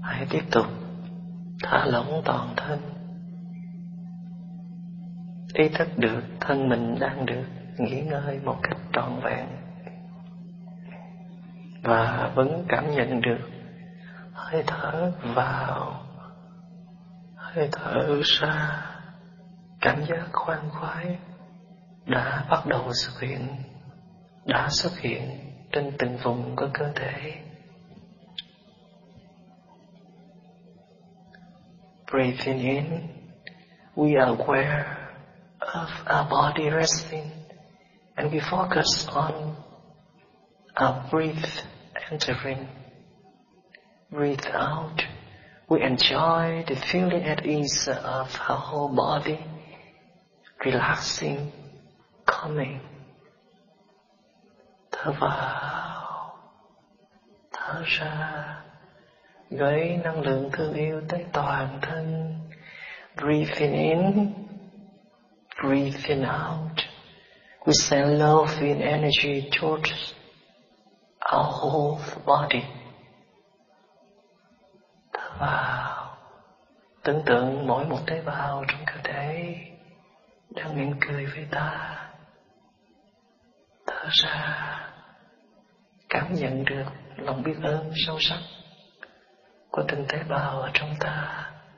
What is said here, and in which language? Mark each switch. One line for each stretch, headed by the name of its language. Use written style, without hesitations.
Vietnamese: Tiếp tục thả lỏng toàn thân, ý thức được thân mình đang được nghỉ ngơi một cách trọn vẹn và vẫn cảm nhận được hơi thở vào, hơi thở ra. Cảm giác khoan khoái đã bắt đầu xuất hiện, đã xuất hiện trên từng vùng của cơ thể.
English: Breathing in, we are aware of our body resting, and we focus on our breath entering. Breathe out, we enjoy the feeling at ease of our whole body, relaxing, calming.
Vietnamese: Thở vào, thở ra. Gửi năng lượng thương yêu tới toàn thân.
English: Breathing in, breathing out. We send loving energy towards our whole body.
Vietnamese: Thở vào. Tưởng tượng mỗi một tế bào trong cơ thể đang mỉm cười với ta. Thở ra. Cảm nhận được lòng biết ơn sâu sắc của từng tế bào ở trong ta.